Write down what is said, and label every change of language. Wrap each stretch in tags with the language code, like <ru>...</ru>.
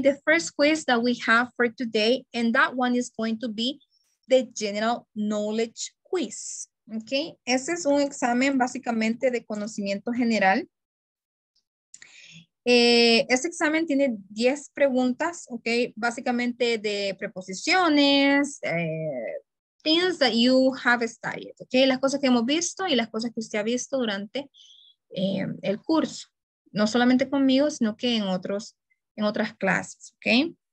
<en>The first quiz that we have for today, and that one is going to be the general knowledge quiz, okay?</en> <es>Ese es un examen básicamente de conocimiento general. Este examen tiene 10 preguntas, okay? Básicamente de preposiciones,</es> <en>things that you have studied,</en> <es>okay? Las cosas que hemos visto y las cosas que usted ha visto durante el curso, no solamente conmigo, sino que en otros, en otras clases, ok.</es>